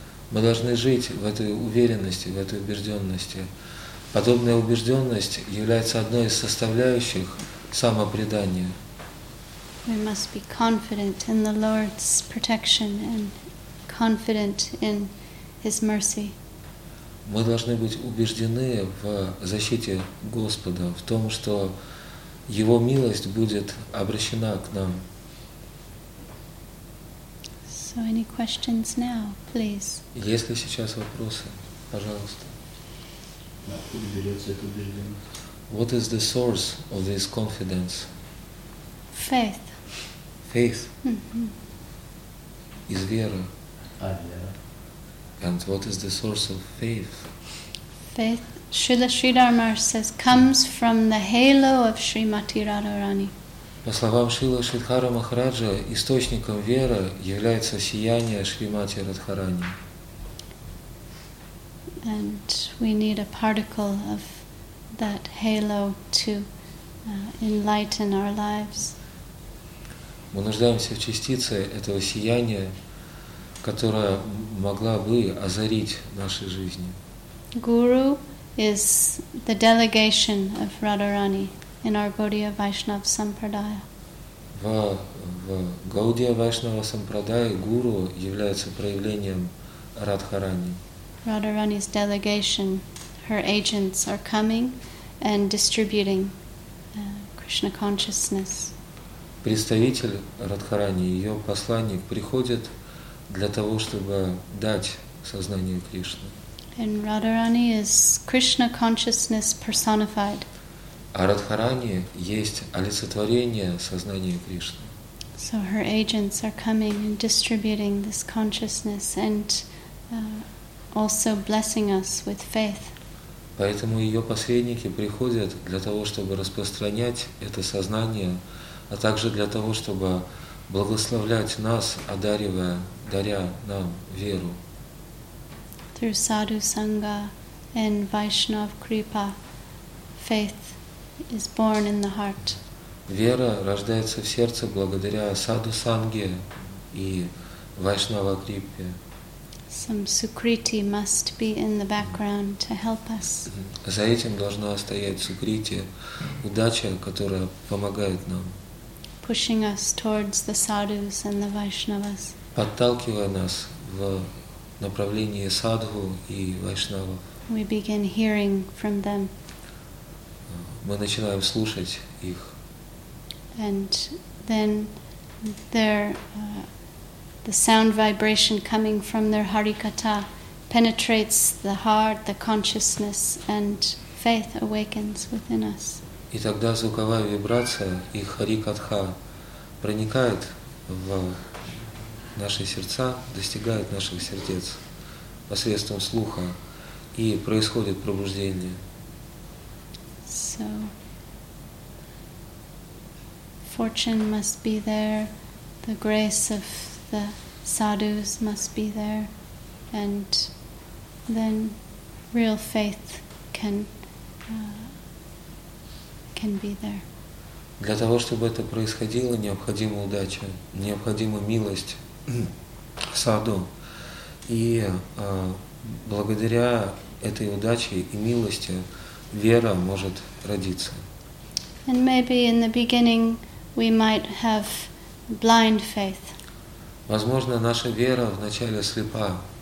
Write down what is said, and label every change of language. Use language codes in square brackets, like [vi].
[ru] Мы должны жить в этой уверенности, в этой убежденности. Подобная убежденность является одной из составляющих самопредания. [en] We must be confident in the Lord's protection and confident in His mercy. [ru] Мы должны быть убеждены в защите Господа, в том, что Его милость будет обращена к нам. [en] So any questions now, please? [ru] Есть ли сейчас вопросы? Пожалуйста. Откуда берется эта убежденность? [en] What is the source of this confidence? Faith. Faith? Mm-hmm. [ru] Из веры. [en] Yeah. And what is the source of faith? Faith, Srila Sridhar Maharaj says, comes from the halo of Srimati Radharani. [ru] По словам Шрилы Шридхара Махараджа, источником веры является сияние Шримати Радхарани. [en] And we need a particle of that halo to enlighten our lives. [ru] Мы нуждаемся в частице этого сияния, которая могла бы озарить наши жизни. [en] Guru is the delegation of Radharani in our Gaudiya Vaishnava Sampradaya. [ru] В Gaudiya Vaishnava Sampradaya Guru является проявлением Радхарани. [en] Radharani's delegation, her agents are coming and distributing Krishna consciousness. [ru] Представитель Радхарани, ее посланник, приходит для того, чтобы дать сознание Кришны. [en] And Radharani is Krishna consciousness personified. [ru] А Радхарани есть олицетворение сознания Кришны. [en] So her agents are coming and distributing this consciousness and also blessing us with faith. [ru] Поэтому ее посредники приходят для того, чтобы распространять это сознание, а также для того, чтобы благословлять нас, даря нам веру. [en] Through sadhu sangha and Vaishnav kripa, faith is born in the heart. [ru] Вера рождается в сердце благодаря sadhu sangha и Vaishnava kripa. [en] Some sukriti must be in the background to help us. [ru] За этим должна стоять сукрити, удача, которая помогает нам. [en] Pushing us towards the sadhus and the Vaishnavas. [ru] Подталкивая нас в направлении садху и вайшнава. [en] We begin hearing from them. [ru] Мы начинаем слушать их. [en] And then the sound vibration coming from their harikata penetrates the heart, the consciousness, and faith awakens within us. [ru] И тогда звуковая вибрация их харикатха проникает в наши сердца, достигают наших сердец, посредством слуха и происходит пробуждение. [en] So, fortune must be there, the grace of the sadhus must be there, and then real faith can be there. [ru] Для того, чтобы это происходило, необходима удача, необходима милость саду. И благодаря этой удаче и милости вера может родиться. [en] And maybe in the beginning we might have blind faith. [ru] Возможно, наша вера вначале слепа.